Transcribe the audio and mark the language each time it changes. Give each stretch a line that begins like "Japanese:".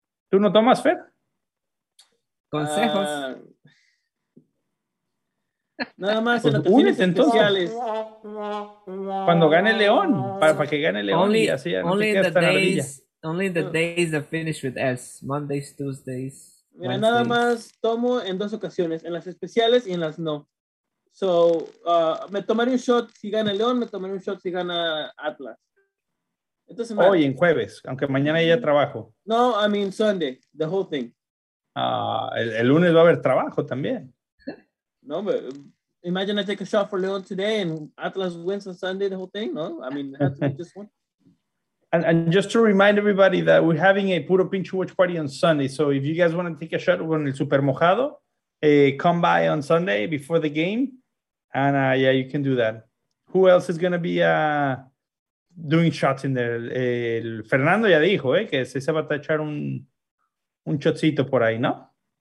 Spanish: ¿Tú no tomas, Fer? Consejos. Nada más pues en las únete, especiales. Cuando gane León, para que gane León.
English: Only,
Spanish: y así,
English: only no in the days, only in the days that finish with S. Mondays, Tuesdays.
Spanish: Mira, nada más tomo en dos ocasiones, en las especiales y en las no. So, me tomaré un shot si gana León, me tomaré un shot si gana Atlas. Entonces, hoy, en jueves, aunque mañana ya trabajo.
English: No, I mean Sunday, the whole thing.
Spanish: El lunes va a haber trabajo también.
English: No, but imagine I take a shot for León today and Atlas wins on Sunday, the whole thing, no? I mean, just one. And just to remind everybody that we're having a Puro Pincho Watch Party on Sunday, so if you guys want to take a shot on el Super Mojado, come by on Sunday before the game, and yeah, you can do that. Who else is going to be... doing shots in there.
Spanish: El Fernando ya dijo, que se va a echar un shotcito por ahí, ¿no?